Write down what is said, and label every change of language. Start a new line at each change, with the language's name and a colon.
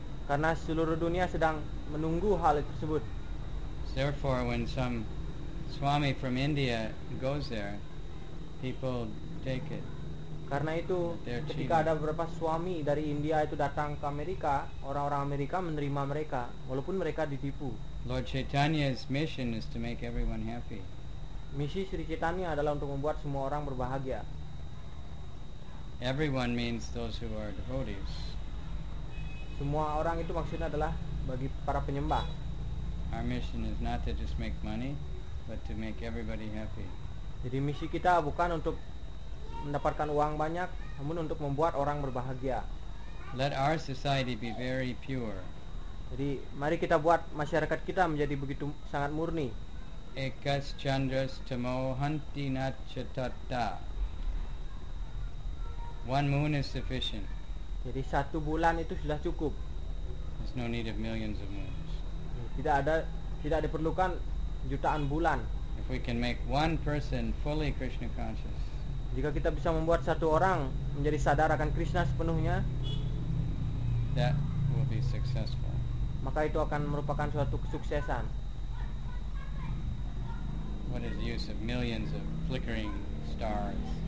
Indonesian: Karena seluruh dunia sedang menunggu hal tersebut.
English: Therefore, when some Swami from India goes there, people take it.
Indonesian: Karena itu, ketika ada beberapa swami dari India itu datang ke Amerika, orang-orang Amerika menerima mereka, walaupun mereka ditipu.
English: Lord Chaitanya's mission is to make everyone happy.
Indonesian: Misi Sri Chaitanya adalah untuk membuat semua orang berbahagia.
English: Everyone means those who are devotees.
Indonesian: Semua orang itu maksudnya adalah bagi para penyembah.
English: Our mission is not to just make money, but to make everybody happy.
Indonesian: Jadi misi kita bukan untuk mendapatkan uang banyak, namun untuk membuat orang berbahagia.
English: Let our society be very pure.
Indonesian: Jadi mari kita buat masyarakat kita menjadi begitu sangat murni.
Sanskrit: Ekas chandras tamohanti nachatata.
English: One moon is sufficient.
Indonesian: Jadi satu bulan itu sudah cukup.
English: There's no need of millions of moons.
Indonesian: Tidak diperlukan jutaan bulan.
English: If we can make one person fully Krishna conscious,
Indonesian: jika kita bisa membuat satu orang menjadi sadar akan Krishna sepenuhnya,
English: that will be successful.
Indonesian: Maka itu akan merupakan suatu kesuksesan.
English: What is the use of millions of flickering stars?